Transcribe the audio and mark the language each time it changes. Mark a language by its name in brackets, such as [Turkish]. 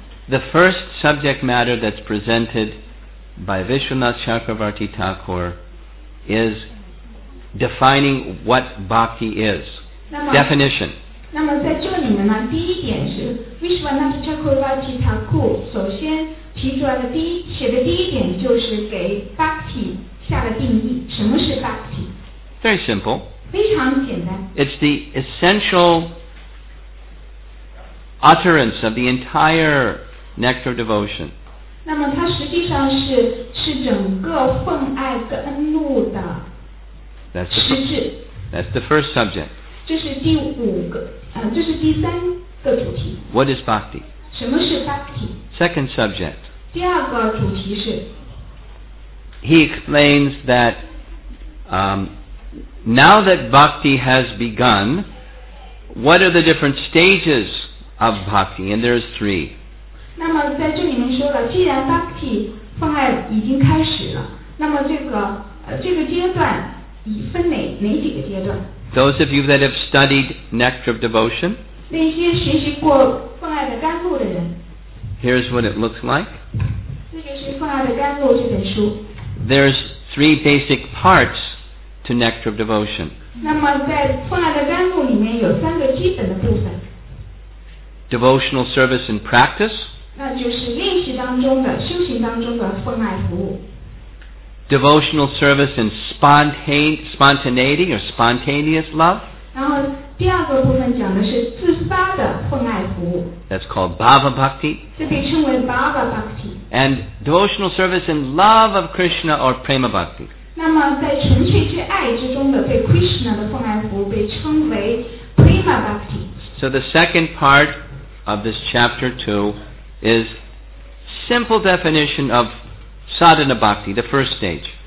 [English] The first subject matter that's presented by Vishwanath Chakravarti Thakur is defining what bhakti is. Definition. [Chinese] 那么在这里呢，第一点是 Vishwanath Chakravarti Thakur 首先提出来的第一写的第一点就是给 bhakti 下了定义。什么是 bhakti? [English] Very simple. [Chinese] 非常简单。 [English] It's the essential utterance of the entire nectar devotion. [Chinese] 那么它实际上是整个奉爱恩露的实质。 [English] That's the first subject. [Chinese] 这是第五个，这是第三个主题。 [English] What is bhakti? [Chinese] 什么是 bhakti? [English] Second subject. [Chinese] 第二个主题是。 [English] He explains that. Now that bhakti has begun, what are the different stages of bhakti? And there's 3. [Chinese] 那么在这里面说了，既然 bhakti 奉爱已经开始了，那么这个阶段已分哪几个阶段？ [English] Those of you that have studied nectar of devotion, [Chinese] 那些学习过奉爱的甘露的人， [English] here's what it looks like. [Chinese] 这就是奉爱的甘露这本书。 [English] There's 3 basic parts. To nectar of devotion. [Chinese] 那么在奉爱的甘露里面有三个基本的部分。 [English] Devotional service and practice. [Chinese] 那就是练习当中的修行当中的奉爱服务。 [English] Devotional service and spontaneity or spontaneous love. [Chinese] 然后第二个部分讲的是自发的奉爱服务。 [English] That's called bhava bhakti. [Chinese] 这被称为 bhava bhakti. [English] And devotional service and love of Krishna or prema bhakti. [Chinese] 那么在纯粹之爱之中的对 Krishna 的奉爱服务被称为 Prema Bhakti [English] So the second part of this chapter 2 is simple definition of sadhana bhakti, the first stage.